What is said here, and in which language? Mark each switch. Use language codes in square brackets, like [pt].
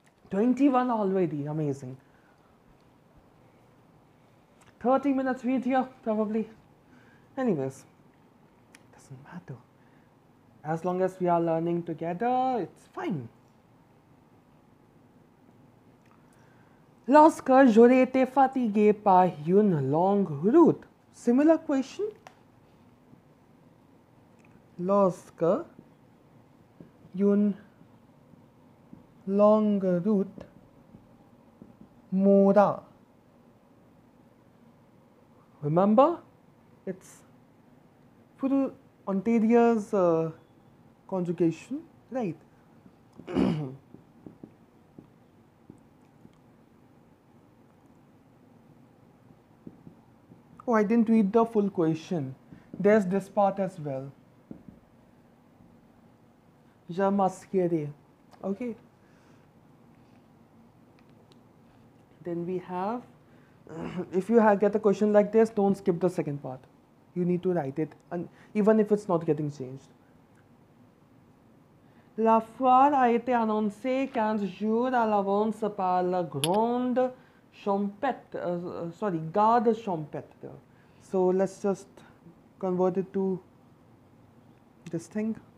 [en] 21 already. Amazing. 30 minutes video, probably. Anyways, doesn't matter. As long as we are learning together, it's fine. [fr] Lorsque j'aurais été fatigué par une longue route. [en] Similar question. [fr] Lorsque une longue route m'aura. [en] Remember, it's put on Ontario's conjugation, right? Oh, I didn't read the full question. There's this part as well. [fr] Je m'assieds. Okay. [en] Then we have. If you get a question like this, don't skip the second part. You need to write it, and even if it's not getting changed. [fr] La foire a été annoncée 15 jours à l'avance par la grande champêtre. Garde champêtre. [en] So let's just convert it to this thing.